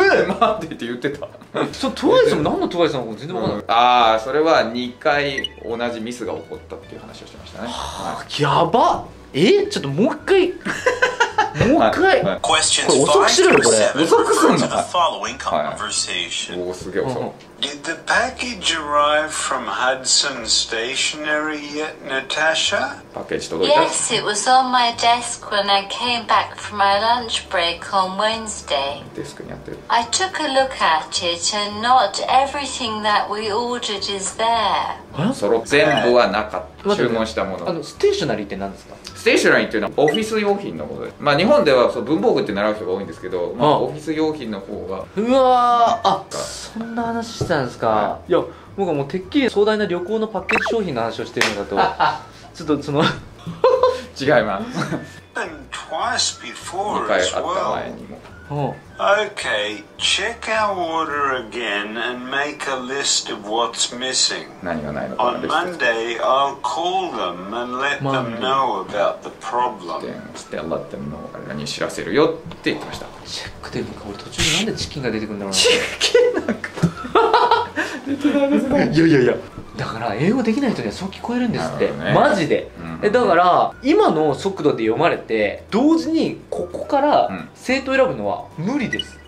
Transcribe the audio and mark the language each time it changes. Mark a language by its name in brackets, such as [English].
[Japanese] マンデーって言ってた。そう、トゥワイスも何のトゥワイスなのか全然分かんない。ああ、それは2回同じミスが起こったっていう話をしてましたね。はあ、やばっ。ちょっともう1回もう一回、これ遅くしろよ、これ遅くすんの。はい、おー、すげえ遅い。 [English] Did the package arrive from Hudson Stationery yet, Natasha? [Japanese] パッケージ届いた。 [English] Yes, it was on my desk when I came back from my lunch break on Wednesday. [Japanese] デスクにあってる。 [English] I took a look at it and not everything that we ordered is there. [Japanese] そろ全部はなかった。注文したもの。あの、ステーショナリーって何ですか。ステーショナリーっていうのはオフィス用品のことです。まあ日本ではそう、文房具って習う人が多いんですけど、まあオフィス用品の方が。うわー、あ、そんな話してたんですか。はい、いや、僕はもうてっきり壮大な旅行のパッケージ商品の話をしてるんだと。ちょっとその違います。 2 回あった前にも。 [English] Okay, check our order again and make a list of what's missing. [Japanese] 何がないのか。 [English] On Monday, I'll call them and let them know about the problem. They'll let them know. [Japanese] 何を知らせるよって言ってました。チェックというか、俺途中でなんでチキンが出てくるんだろう。チキンなんか。いやいやいや、だから英語できない人にはそう聞こえるんですって、ね、マジで、だから今の速度で読まれて同時にここから生徒選ぶのは無理です。